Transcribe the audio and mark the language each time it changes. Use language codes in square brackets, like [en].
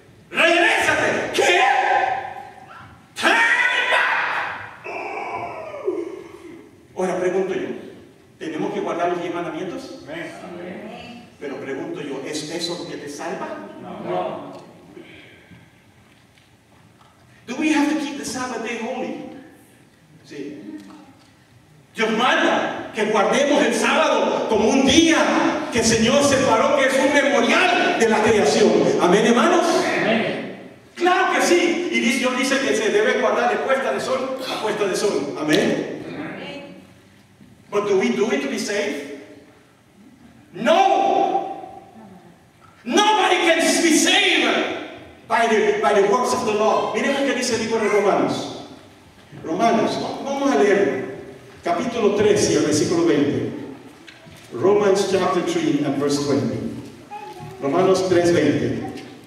[es] ¡Regrésate! ¿Qué? [en] ¡Turn back! [es] Ahora pregunto yo, ¿tenemos que guardar los 10 mandamientos? Pero pregunto yo, ¿es eso lo que te salva? No. [en] Do we have to keep the Sabbath day holy? [es] Sí. Dios manda que guardemos el sábado como un día que el Señor separó, que es un memorial de la creación. Amén, hermanos. Amén. Claro que sí. Y Dios dice que se debe guardar de puesta de sol a puesta de sol. Amén. Amén. [en] But do we do it to be safe? No. Nobody can be saved by the works of the law. [es] Miren lo que dice el libro de Romanos. Romanos, vamos a leerlo. Capítulo 3 y el versículo 20. [en] Romans chapter 3 and verse 20. Romanos 3, 20.